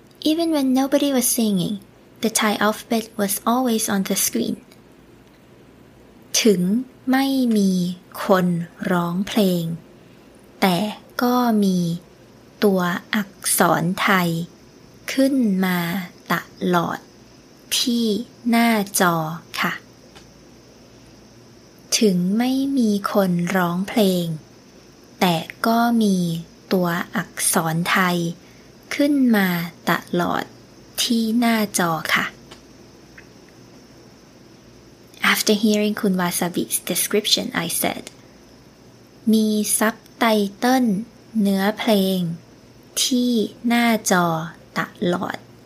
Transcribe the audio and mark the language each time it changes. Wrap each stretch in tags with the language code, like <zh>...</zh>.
<en>Even when nobody was singing, the Thai alphabet was always on the screen.</en> <th>ถึงไม่มีคนร้องเพลงแต่ก็มีตัวอักษรไทยขึ้นมาตลอดที่หน้าจอค่ะถึงไม่มีคนร้องเพลงแต่ก็มีตัวอักษรไทยขึ้นมาตลอดที่หน้าจอค่ะ</th> <en>After hearing Kun Wasabi's description, I said,</en> <th>มีซับไตเติ้ลเนื้อเพลงที่หน้าจอตลอด</th>